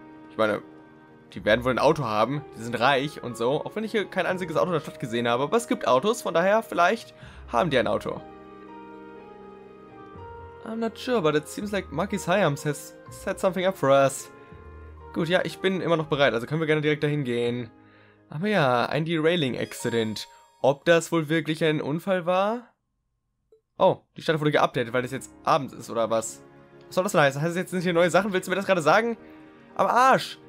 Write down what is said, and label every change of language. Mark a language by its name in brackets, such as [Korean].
[German] Ich meine, die werden wohl ein Auto haben. Die sind reich und so. Auch wenn ich hier kein einziges Auto in der Stadt gesehen habe. Aber es gibt Autos, von daher, vielleicht haben die ein Auto. [English] I'm not sure, but it seems like Marquis Hyams has set something up for us. [German] Gut, ja, ich bin immer noch bereit, also können wir gerne direkt dahin gehen. Aber ja, ein [English] derailing accident. [German] Ob das wohl wirklich ein Unfall war? Oh, die Stadt wurde geupdatet, weil es jetzt abends ist, oder was? Was soll das denn heißen? Heißt das jetzt, sind hier neue Sachen? Willst du mir das gerade sagen? Am Arsch!